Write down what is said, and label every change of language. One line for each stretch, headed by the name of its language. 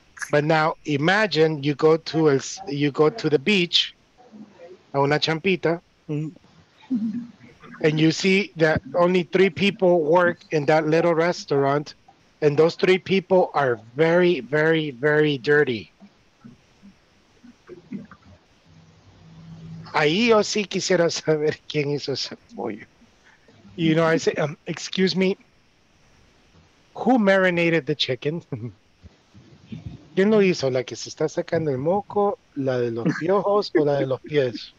English: But now imagine you go to the beach,
Spanish: a una champita,
English: and you see that only three people work in that little restaurant, and those three people are very, very, very dirty.
Spanish: Ahí yo sí quisiera saber quién hizo ese pollo.
English: You know, I say, excuse me, who marinated the chicken?
Spanish: ¿Quién lo hizo? ¿La que se está sacando el moco? ¿La de los piojos o la de los pies?